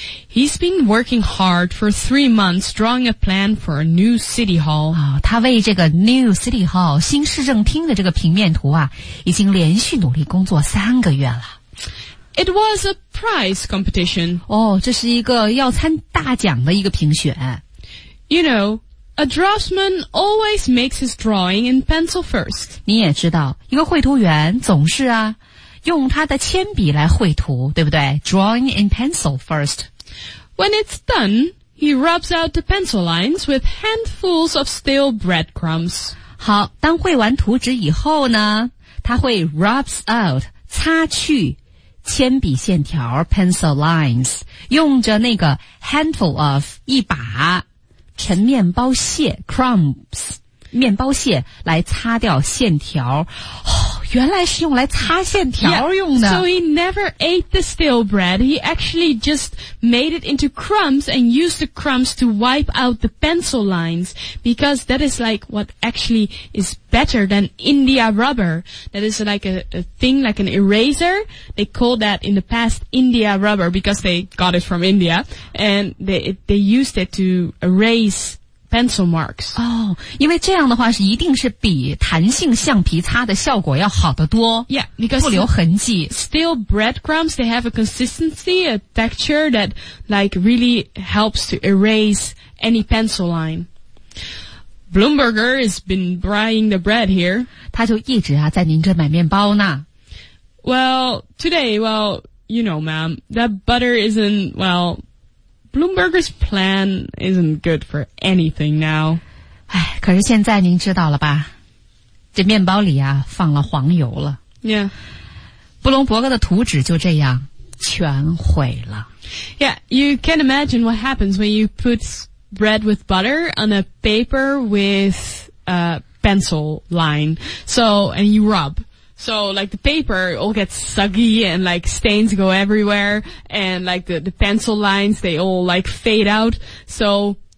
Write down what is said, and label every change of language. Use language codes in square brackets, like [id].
[en] He's been working hard for 3 months drawing a plan for a new city hall. [zh] 哦，他为这个 [en] new city hall, [zh] 新市政厅的这个平面图啊，已经连续努力工作三个月了。 [en] It was a prize competition. [zh] 哦，这是一个要参大奖的一个评选。 [en] You know,A draftsman always makes his drawing in pencil first. [zh] 你也知道，一个绘图员总是啊，用他的铅笔来绘图，对不对？ [en] Drawing in pencil first. When it's done, he rubs out the pencil lines with handfuls of stale breadcrumbs. [zh] 好，当绘完图纸以后呢，他会 [en] rubs out, [zh] 擦去铅笔线条 [en] pencil lines, [zh] 用着那个 [en] handful of, [zh] 一把陈面包屑 crumbs 面包屑来擦掉线条、哦、原来是用来擦线条用的 [en] yeah, So he never ate the stale bread He actually just made it into crumbs And used the crumbs to wipe out the pencil lines Because that is like what actually is better than India rubber That is like a thing like an eraser They called that in the past India rubber Because they got it from India And they used it to erasePencil marks. [zh] 哦、oh, 因为这样的话是一定是比弹性橡皮擦的效果要好得多。 [en] Yeah, because [zh] 不留痕迹。 [en] Steel breadcrumbs, they have a consistency, a texture that like really helps to erase any pencil line. Bloomberger has been buying the bread here. [zh] 他就一直啊在您这买面包呢。 [en] Well, today, well, you know, ma'am, that butter isn't, well, Bloomberger's plan isn't good for anything now. [zh] 哎，可是现在您知道了吧？这面包里啊，放了黄油了。 [en] Yeah. [zh] 布隆伯格的图纸就这样全毁了。 [en] Yeah, you can imagine what happens when you put bread with butter on a paper with a pencil line. So, and you rub. So, like, the paper all gets soggy and, like, stains go everywhere. And, like, the pencil lines, they all, like, fade out. So...